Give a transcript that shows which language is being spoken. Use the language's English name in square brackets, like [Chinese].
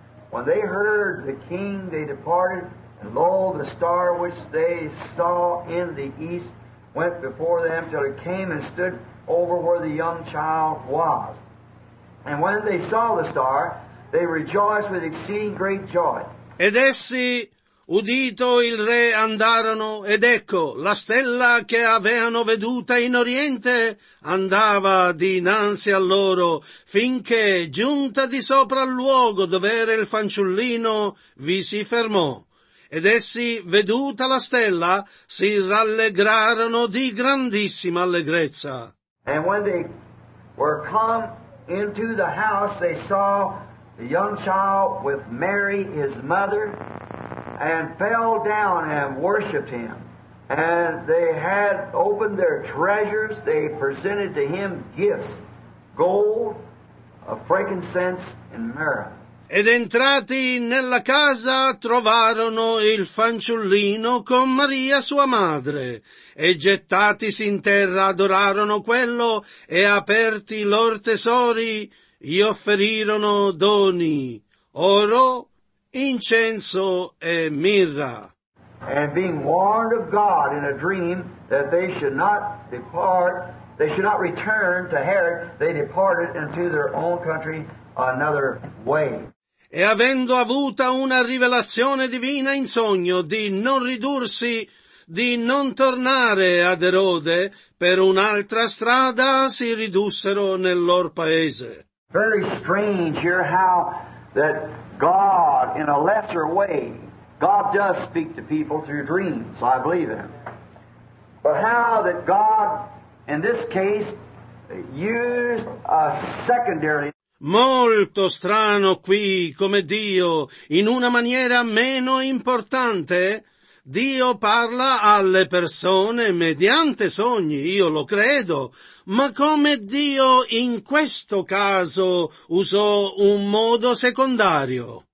[English] When they heard the king, they departed. And lo, the star which they saw in the east went before them till it came and stood over where the young child was. And when they saw the star, they rejoiced with exceeding great joy. [Italian] Ed essi, udito il re, andarono, ed ecco, la stella che avevano veduta in oriente andava dinanzi a loro, finché, giunta di sopra al luogo dove era il fanciullino, vi si fermò. Ed essi, veduta la stella, si rallegrarono di grandissima allegrezza. [English] And when they were come into the house, they saw the young child with Mary his mother, and fell down and worshipped him. And they had opened their treasures, they presented to him gifts, gold, frankincense, and myrrh. [Italian] Ed entrati nella casa trovarono il fanciullino con Maria sua madre, e gettatisi in terra adorarono quello, e aperti i loro tesori, gli offerirono doni, oro, incenso e mirra. [English] And being warned of God in a dream that they should not depart, they should not return to Herod, they departed into their own country another way. [Italian] E avendo avuta una rivelazione divina in sogno di non ridursi, di non tornare ad Erode, per un'altra strada si ridussero nel loro paese. [English] Very strange here how that God, in a lesser way, God does speak to people through dreams. I believe in it. But how that God, in this case, used a secondary. [Italian] Molto strano qui, come Dio, in una maniera meno importante, Dio parla alle persone mediante sogni, io lo credo, ma come Dio in questo caso usò un modo secondario?